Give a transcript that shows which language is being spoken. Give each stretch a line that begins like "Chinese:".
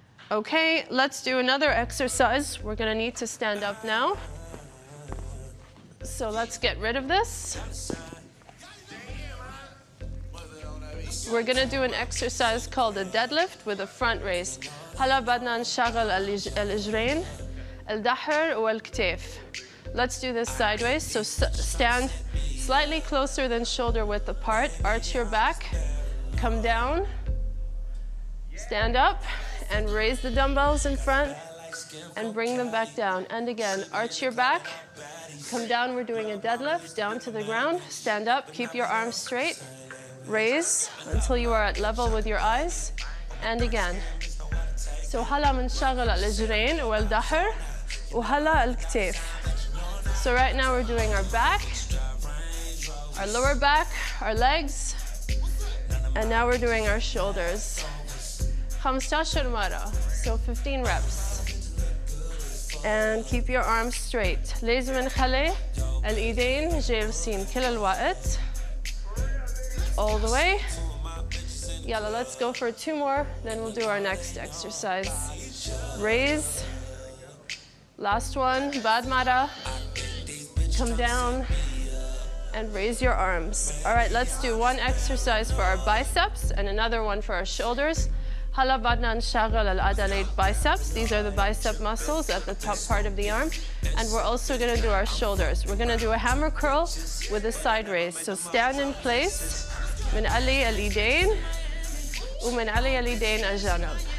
English: Okay, let's do another exercise. We're gonna need to stand up now. So let's get rid of this. We're gonna do an exercise called a deadlift with a front raise.
Arabic: هلأ بدنا نشغل الإجرين الدحر والكتف.
English: Let's do this sideways. So stand slightly closer than shoulder width apart. Arch your back. Come down. Stand up and raise the dumbbells in front and bring them back down. And again, arch your back. Come down, we're doing a deadlift, down to the ground. Stand up, keep your arms straight. Raise until you are at level with your eyes. And again.
Arabic: So هلا منشغل الإجرين والدحر وهلا الكتف.
English: So right now we're doing our back, our lower back, our legs, and now we're doing our shoulders.
Arabic: 15 مرة,
English: so 15 reps. And keep your arms straight.
Arabic: لازم نخلي الإيدين جالسين كل الوقت.
English: All the way. Yalla, let's go for two more, then we'll do our next exercise. Raise. Last one,
Arabic: bad mara.
English: Come down and raise your arms. All right, let's do one exercise for our biceps and another one for our shoulders.
Arabic: هلأ بدنا نشغل العضلات biceps.
English: These are the bicep muscles at the top part of the arm. And we're also gonna do our shoulders. We're gonna do a hammer curl with a side raise. So stand in place.
Arabic: من علي الإيدين ومن علي الإيدين الجنب.